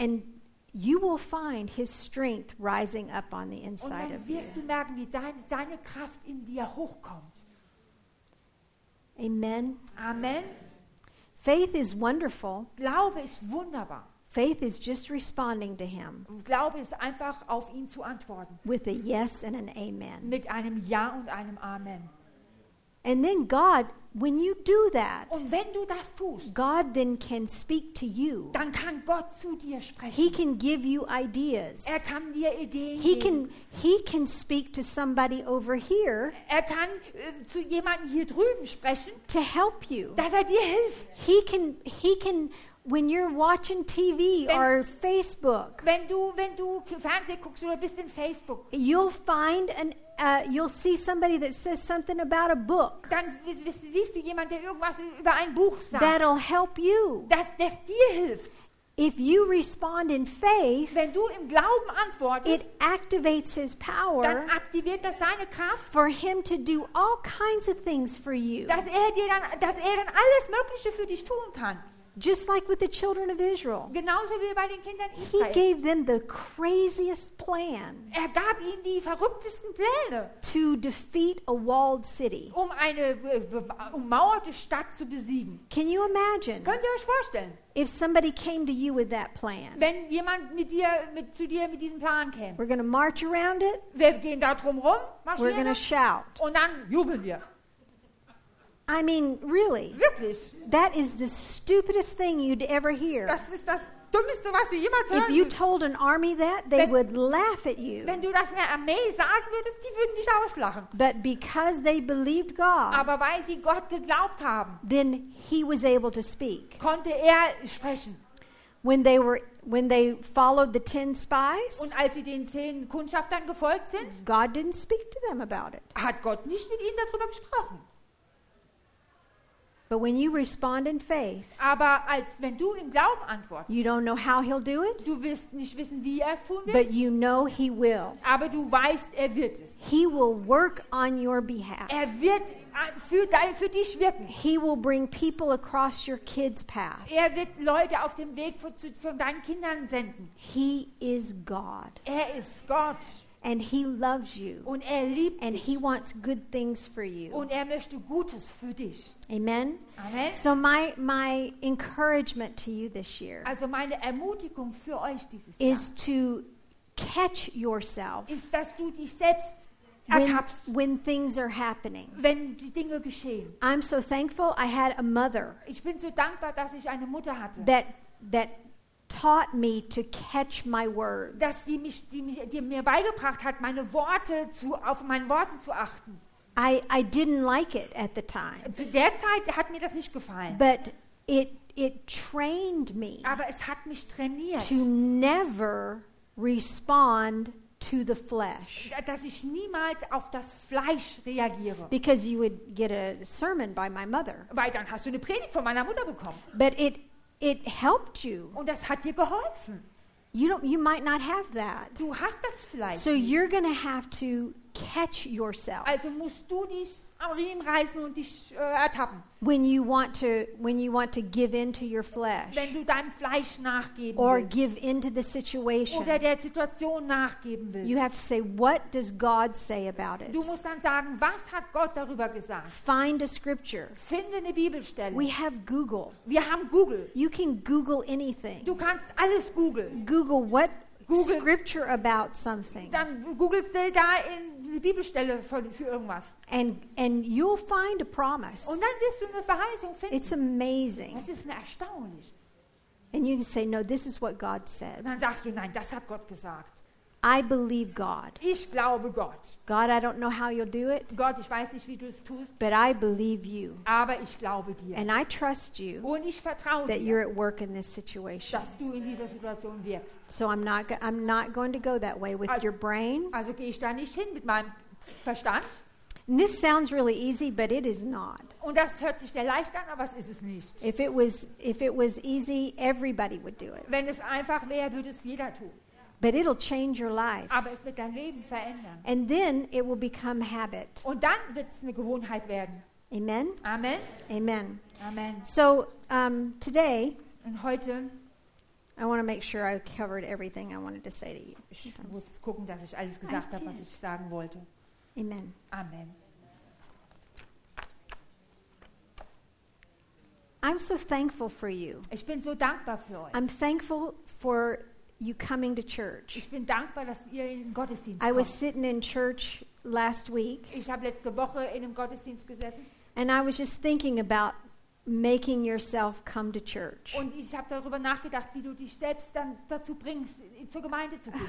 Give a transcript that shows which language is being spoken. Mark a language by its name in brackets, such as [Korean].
[English] And you will find his strength rising up on the inside [German] und dann wirst [English] of you. [German] Du merken, wie seine Kraft in dir hochkommt. [English] Amen. [German] Amen. [English] Faith is wonderful. [German] Glaube ist wunderbar. [English] Faith is just responding to him. [German] Glaube ist einfach auf ihn zu antworten. [English] With a yes and an amen. [German] Mit einem Ja und einem Amen. [English] And then God, when you do that, [German] und wenn du das tust, [English] God then can speak to you. [German] Dann kann Gott zu dir sprechen. [English] He can give you ideas. [German] Er kann dir Ideen [English] he [German] geben. [English] He can speak to somebody over here. [German] Er kann zu jemanden hier drüben sprechen. [English] To help you. [German] Dass er dir hilft. [English] He can when you're watching TV wenn, or Facebook, [German] wenn du Fernsehen guckst oder bist in Facebook, [English] you'll find you'll see somebody that says something about a book. [German] Dann siehst du jemanden, der irgendwas über ein Buch sagt. [English] That'll help you. [German] Das dir hilft. [English] If you respond in faith, [German] wenn du im Glauben antwortest, [English] it activates his power, [German] dann aktiviert das seine Kraft, [English] for him to do all kinds of things for you. [German] Dass er dann alles Mögliche für dich tun kann. [English] Just like with the children of Israel. [German] Genauso wie bei den Kindern Israel. [English] He gave them the craziest plan. [German] Er gab ihnen die verrücktesten Pläne. [English] To defeat a walled city. [German] Um eine ummauerte Stadt zu besiegen. [English] Can you imagine? [German] Könnt ihr euch vorstellen? [English] If somebody came to you with that plan. [German] Wenn jemand zu dir mit diesem Plan käme. [English] We're going to march around it. [German] Wir gehen da drum rum. [English] We're going to shout. [German] Und dann jubeln wir. [English] I mean, really? [German] Wirklich? [English] That is the stupidest thing you'd ever hear. [German] Das ist das Dummeste, was ihr jemals hören. [English] If you told an army that, they would laugh at you. [German] Wenn du das einer Armee sagen würdest, die würden dich auslachen. [English] But because they believed God. [German] Aber weil sie Gott geglaubt haben. [English] Then he was able to speak. [German] Konnte er sprechen. [English] When they followed the 10 spies, [German] und als sie den 10 Kundschaftern gefolgt sind, [English] God didn't speak to them about it. [German] Hat Gott nicht mit ihnen darüber gesprochen. [English] But when you respond in faith, [German] aber als wenn du im Glauben antwortest, [English] you don't know how he'll do it, [German] du wirst nicht wissen, wie er es tun wird, [English] but you know he will. [German] Aber du weißt, er wird es. [English] He will work on your behalf. [German] Er wird für dich wirken. [English] He will bring people across your kids' path. [German] Er wird Leute auf dem Weg von deinen Kindern senden. [English] He is God. [German] Er ist Gott. [English] And he loves you. [German] Und er liebt [English] and [German] dich. [English] He wants good things for you. [German] Und er möchte Gutes für dich. [English] Amen. [German] Amen. [English] So my encouragement to you this year, [German] also meine Ermutigung für euch dieses Jahr, [English] is to catch yourself, [German] ist, dass du dich selbst ertappst, [English] when things are happening. [German] Wenn die Dinge geschehen. [English] I'm so thankful I had a mother. [German] Ich bin so dankbar, dass ich eine Mutter hatte. [English] That taught me to catch my words. [German] Dass sie mich, die mir beigebracht hat, meine Worte auf meinen Worten zu achten. [English] I didn't like it at the time. [German] Zu der Zeit hat mir das nicht gefallen. [English] But it trained me. [German] Aber es hat mich trainiert. [English] To never respond to the flesh. [German] Dass ich niemals auf das Fleisch reagiere. [English] Because you would get a sermon by my mother. [German] Weil dann hast du eine Predigt von meiner Mutter bekommen. [English] But it helped you. [German] Und das hat dir geholfen. [English] You might not have that. [German] Du hast das vielleicht. [English] So you're going to have to catch yourself. [German] Also musst du dich am Riemen reißen und dich ertappen. [English] When you want to give in to your flesh. [German] Wenn du deinem Fleisch nachgeben [English] or [German] willst. [English] Give in to the situation. [German] Oder der Situation nachgeben willst. [English] You have to say, what does God say about it? [German] Du musst dann sagen, was hat Gott darüber gesagt? [English] Find a scripture. [German] Finde eine Bibelstelle. [English] We have Google. [German] Wir haben Google. [English] You can Google anything. [German] Du kannst alles googeln. [English] Google what scripture about something. [German] Dann googelst du da in die Bibelstelle für irgendwas. [English] And you'll find a promise. [German] Und dann wirst du eine Verheißung finden. [English] It's amazing. [German] Das ist erstaunlich. [English] And you can say, no, this is what God said. [German] Und dann sagst du, nein, das hat Gott gesagt. [English] I believe God. [German] Ich glaube Gott. [English] God, I don't know how you'll do it. [German] Gott, ich weiß nicht, wie du es tust. [English] But I believe you. [German] Aber ich glaube dir. [English] And I trust you. [German] Und ich vertraue [English] that [German] dir. [English] You're at work in this situation. [German] Dass du in dieser Situation wirkst. [English] So I'm not going to go that way with your brain. [German] Also gehe ich da nicht hin mit meinem Verstand. [English] And this sounds really easy, but it is not. [German] Und das hört sich sehr leicht an, aber es ist es nicht. [English] If it was easy, everybody would do it. [German] Wenn es einfach wäre, würde es jeder tun. [English] But it'll change your life. [German] Aber es wird dein Leben verändern. [English] And then it will become habit. [German] Und dann wird's eine Gewohnheit werden. [English] Amen. [German] Amen. [English] Amen. [German] Amen. [English] So today. [German] Und heute. [English] I want to make sure I covered everything I wanted to say to you. [German] Ich muss gucken, dass ich alles gesagt habe, was ich sagen wollte. [English] Amen. [German] Amen. [English] I'm so thankful for you. [German] Ich bin so dankbar für euch. [English] I'm thankful for you coming to church. [German] Ich bin dankbar, dass ihr in den Gottesdienst kommt. [English] I was sitting in church last week. [German] Ich habe letzte Woche in einem Gottesdienst gesessen. [English] And I was just thinking about making yourself come to church. [German] Und ich habe darüber nachgedacht, wie du dich selbst dann dazu bringst, zur Gemeinde zu kommen.